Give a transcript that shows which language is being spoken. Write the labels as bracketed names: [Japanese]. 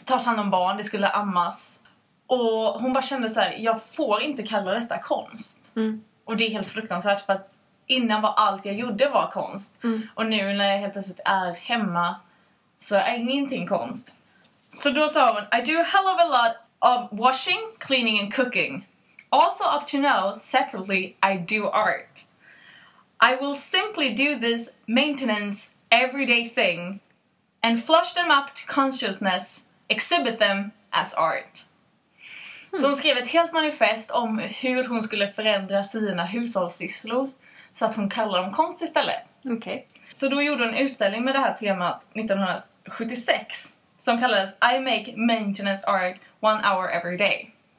[Swedish] Ta hand om barn, det skulle ammas. Och hon bara kände så här, jag får inte kalla detta konst. Mm. Och det är helt fruktansvärt för att innan var allt jag gjorde var konst. Mm. Och nu när jag helt plötsligt är hemma så är ingenting konst. Så då sa hon, [English] I do a hell of a lot of washing, cleaning and cooking. Also up to now, separately, I do art. I will simply do this maintenance everyday thing and flush them up to consciousness, exhibit them as art. Mm. [Swedish] Så hon skrev ett helt manifest om hur hon skulle förändra sina hushållssysslor så att hon kallar dem konst istället. Okay. Så då gjorde hon en utställning med det här temat 1976 som kallades [English] I make maintenance art 1 hour every day.